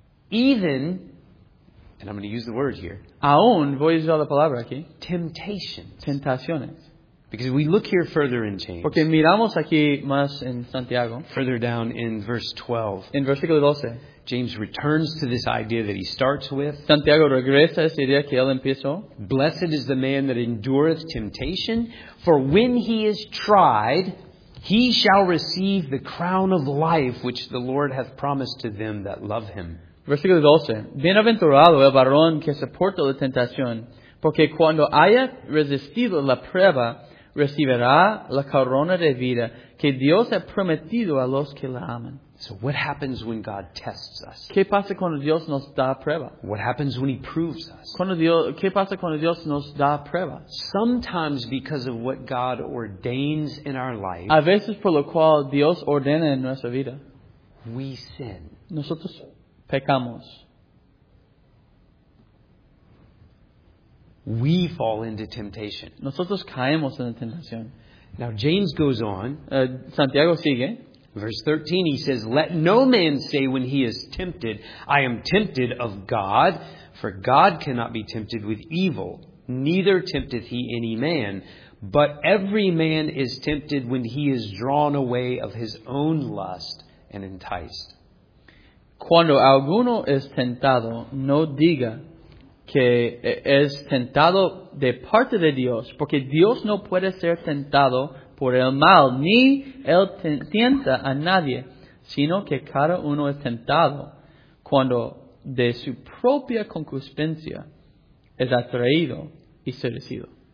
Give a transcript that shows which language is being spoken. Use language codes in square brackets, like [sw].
[en] Even, and I'm going to use the word here. [es] Aún, voy a usar la palabra aquí. [en] Temptations. [es] Tentaciones. [en] Because we look here further in James. [es] Porque miramos aquí más en Santiago. [en] Further down in verse 12. [es] En versículo 12. [en] James returns to this idea that he starts with. [es] Santiago regresa a esa idea que él empezó. [en] Blessed is the man that endureth temptation, for when he is tried, He shall receive the crown of life which the Lord hath promised to them that love him. [es] Versículo 12. Bienaventurado el varón que soporta la tentación, porque cuando haya resistido la prueba, recibirá la corona de vida que Dios ha prometido a los que la aman. [en] So what happens when God tests us? [es] ¿Qué pasa cuando Dios nos da prueba? [en] What happens when he proves us? [es] ¿Qué pasa cuando Dios nos da prueba? [en] Sometimes because of what God ordains in our life. [es] A veces por lo cual Dios ordena en nuestra vida. [en] We sin. [es] Nosotros pecamos. [en] We fall into temptation. [es] Nosotros caemos en la tentación. [en] Now James goes on. [es] Santiago sigue. [en] Verse 13, he says, "Let no man say when he is tempted, I am tempted of God, for God cannot be tempted with evil, neither tempteth he any man. But every man is tempted when he is drawn away of his own lust and enticed." [es] Cuando alguno es tentado, no diga que es tentado de parte de Dios, porque Dios no puede ser tentado por el mal, ni él tienta a nadie, sino que cada uno es tentado cuando de su propia concupiscencia es atraído y seducido.